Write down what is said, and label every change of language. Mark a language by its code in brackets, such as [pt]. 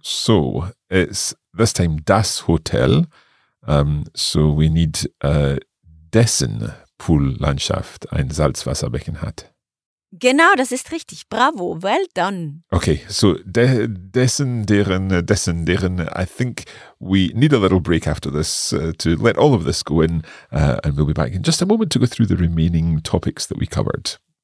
[en] So, it's this time [de] das Hotel. [en] So we need [de] dessen Poollandschaft ein Salzwasserbecken hat. Genau, das ist richtig. Bravo, [en] well done. Okay, so dessen, deren, I think we need a little break after this to let all of this go in, and we'll be back in just a moment to go through the remaining topics that we covered.